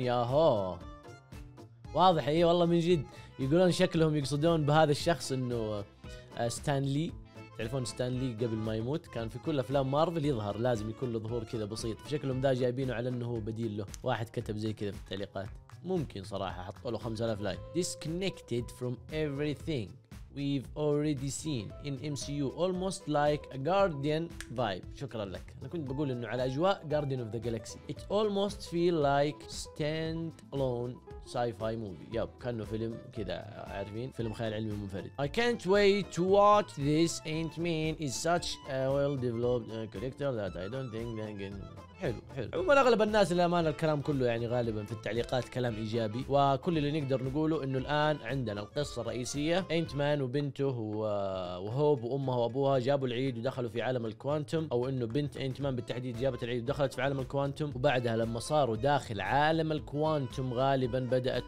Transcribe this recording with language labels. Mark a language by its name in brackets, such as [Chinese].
[Arabic] ياهو واضح إيه والله من جد. يقولون شكلهم يقصدون بهذا الشخص إنه ستانلي. تعرفون ستانلي قبل ما يموت كان في كل أفلام مارفل يظهر، لازم يكون له ظهور كذا بسيط. شكلهم ذا جايبينه على إنه هو بديل له. واحد كتب زي كذا في التعليقات، ممكن صراحة حطوا له 5000 لايك. [English] Disconnected from everything we've already seen in MCU, almost like a guardian vibe. [Arabic] شكرا لك. انا كنت بقول انه على اجواء [English] guardian of the galaxy. It almost feel like stand alone [Arabic] ساي فاي موفي، ياب كانه فيلم كذا، عارفين فيلم خيال علمي منفرد. [English] I can't wait to watch this. Ant-Man is such a well-developed character that I don't think they can. [Arabic] حلو حلو. عموما اغلب الناس للأمانة الكلام كله يعني غالبا في التعليقات كلام ايجابي، وكل اللي نقدر نقوله انه الان عندنا القصة الرئيسية انت مان وبنته وهوب وامها وابوها جابوا العيد ودخلوا في عالم الكوانتوم، او انه بنت انت مان بالتحديد جابت العيد ودخلت في عالم الكوانتوم، وبعدها لما صاروا داخل عالم الكوانتوم غالبا بدأت